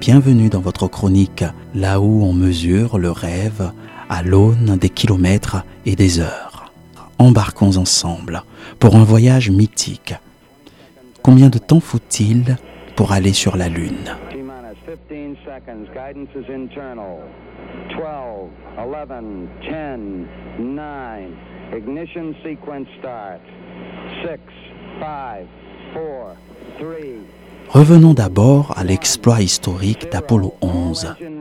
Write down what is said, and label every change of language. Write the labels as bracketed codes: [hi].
[fr] Bienvenue dans votre chronique, là où on mesure le rêve à l'aune des kilomètres et des heures. Embarquons ensemble pour un voyage mythique. Combien de temps faut-il pour aller sur la Lune ? [en] 15 seconds, guidance is internal. 12, 11, 10, 9, ignition sequence start. 6, 5, 4, 3. [fr] Revenons d'abord à l'exploit historique d'Apollo 11.